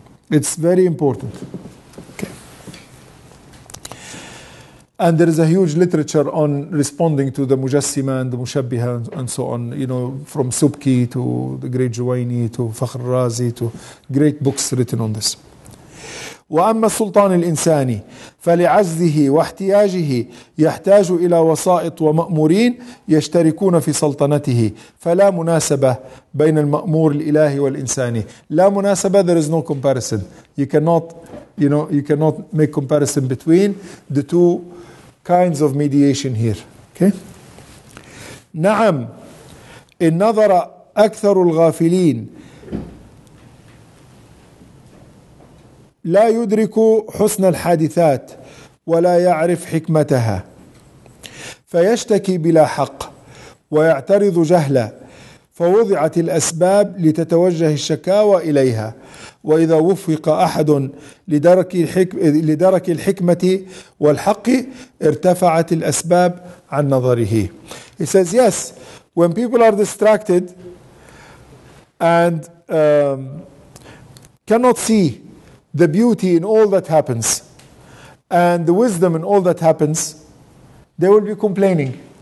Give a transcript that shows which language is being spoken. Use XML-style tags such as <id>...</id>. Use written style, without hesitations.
<en>It's very important. Okay. And there is a huge literature on responding to the Mujassima and the Mushabbiha and so on, you know, from Subki to the great Juwaini to Fakhr Razi to great books written on this.</en> <ar>وَأَمَّا السُّلْطَانِ الْإِنسَانِ فَلِعَزْدِهِ وَاحْتِيَاجِهِ يَحْتَاجُ إِلَى وَسَائِطُ وَمَأْمُورِينَ يَشْتَرِكُونَ فِي سَلْطَنَتِهِ فَلَا مُنَاسَبَةَ بَيْنَ الْمَأْمُورِ الْإِلَهِ وَالْإِنسَانِ لَا مُنَاسَبَةَ,</ar> <en>there is no comparison. You cannot make comparison between the two kinds of mediation here. Okay?</en> <ar>نَعَمْ إِنْ نَظَرَ أَكْثَرُ الْغَافِلِينَ لا يدرك حسن الحادثات ولا يعرف حكمتها فيشتكي بلا حق ويعترض جهلا ف فوضعت الأسباب لتتوجه الشكاوى إليها. وإذا وفق أحد لدرك الحكمة والحق ارتفعت الأسباب عن نظره.</ar> <en>He says yes, when people are distracted and cannot see the beauty in all that happens and the wisdom in all that happens, they will be complaining.</en>